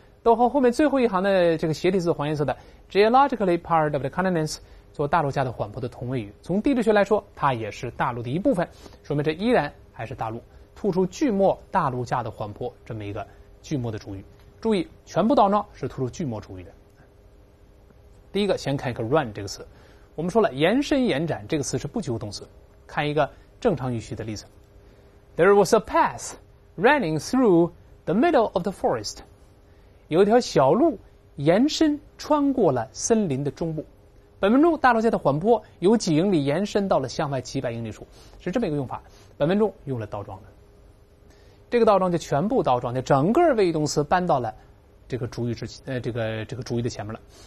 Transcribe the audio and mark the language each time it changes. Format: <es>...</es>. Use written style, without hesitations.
<zh>逗号后面最后一行的这个斜体字黄颜色的</zh> <en>geologically part of the continents</en> <zh>做大陆架的缓坡的同位语，从地质学来说它也是大陆的一部分，说明这依然还是大陆，突出句末大陆架的缓坡这么一个句末的主语。注意全部倒装是突出句末主语的。第一个先看一个 run 这个词，我们说了延伸延展这个词是不及物动词。看一个正常语序的例子，</zh> <en>There was a path running through the middle of the forest，</en> <zh>有一条小路延伸穿过了森林的中部。本文中大螺旋的缓坡由几英里延伸到了向外几百英里处，是这么一个用法。本文中用了倒装的，这个倒装就全部倒装，就整个谓语动词搬到了这个主语之这个主语的前面了。</zh>